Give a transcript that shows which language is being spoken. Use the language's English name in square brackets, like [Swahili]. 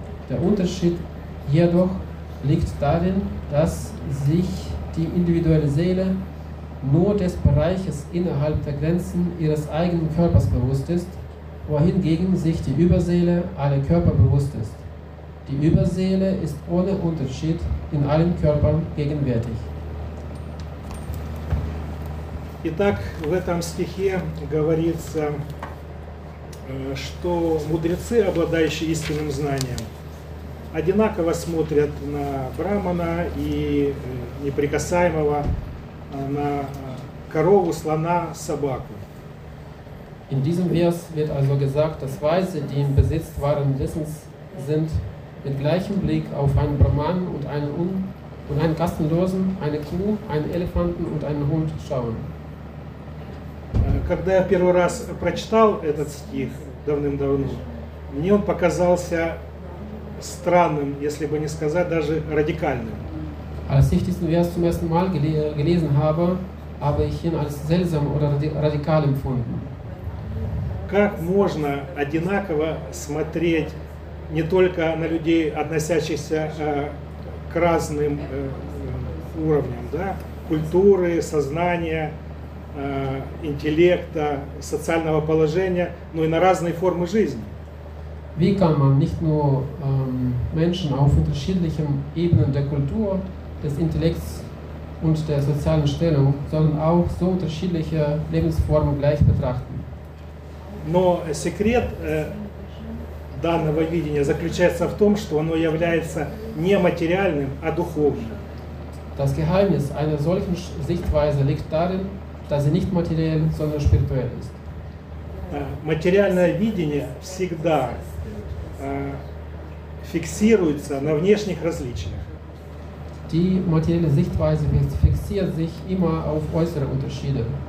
[German] Der Unterschied jedoch liegt darin, dass sich die individuelle Seele nur des Bereiches innerhalb der Grenzen ihres eigenen Körpers bewusst ist, wohingegen sich die Überseele aller Körper bewusst ist. Die Überseele ist ohne Unterschied in allen Körpern gegenwärtig. [Russian] Итак, в этом стихе говорится, что мудрецы, обладающие истинным знанием, одинаково смотрят на брахмана и неприкасаемого, на корову, слона, собаку. [German] In diesem Vers wird also gesagt, dass Weise, die im Besitz wahren Wissens sind, mit gleichem Blick auf einen Brahman und einen Kastenlosen, eine Kuh, einen Elefanten und einen Hund schauen. [Russian] Когда я первый раз прочитал этот стих давным-давно, мне он показался странным, если бы не сказать даже радикальным. [German] Als ich diesen Vers zum ersten Mal gelesen habe, habe ich ihn als seltsam oder radikal empfunden. [Russian] Как можно одинаково смотреть не только на людей, относящихся к разным уровням, да, культуры, сознания, интеллекта, социального положения, но и на разные формы жизни? [German] Wie kann man nicht nur Menschen auf unterschiedlichen Ebenen der Kultur, des Intellekts und der sozialen Stellung, sondern auch so unterschiedliche Lebensformen gleich betrachten? [Russian] Но секрет данного видения заключается в том, что оно является не материальным, а духовным. [German] Das Geheimnis einer solchen Sichtweise liegt darin, dass sie nicht materiell, sondern spirituell ist. [Russian] Материальное видение всегда фиксируется на внешних различиях. [German] Die materielle Sichtweise fixiert sich immer auf äußere Unterschiede.